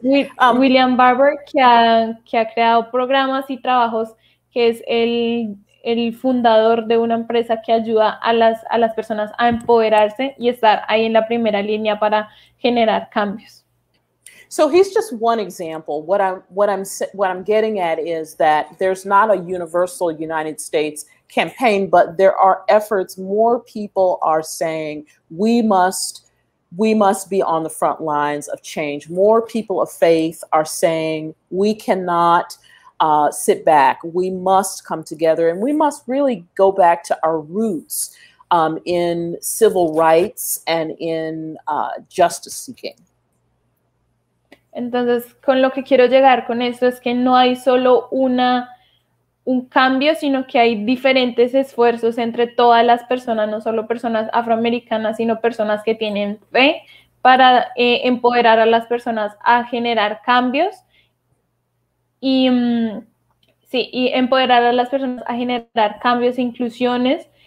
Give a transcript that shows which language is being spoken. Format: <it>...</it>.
<es>William Barber, que ha creado programas y trabajos, que es el fundador de una empresa que ayuda a las personas a empoderarse y estar ahí en la primera línea para generar cambios.</es> <en>So he's just one example. What I'm getting at is that there's not a universal United States campaign, but there are efforts. More people are saying we must be on the front lines of change. More people of faith are saying we cannot sit back. We must come together, and we must really go back to our roots in civil rights and in justice seeking.</en> <es>Entonces, con lo que quiero llegar con esto es que no hay solo un cambio, sino que hay diferentes esfuerzos entre todas las personas, no solo personas afroamericanas, sino personas que tienen fe para empoderar a las personas a generar cambios y empoderar a las personas a generar cambios e inclusiones.</es>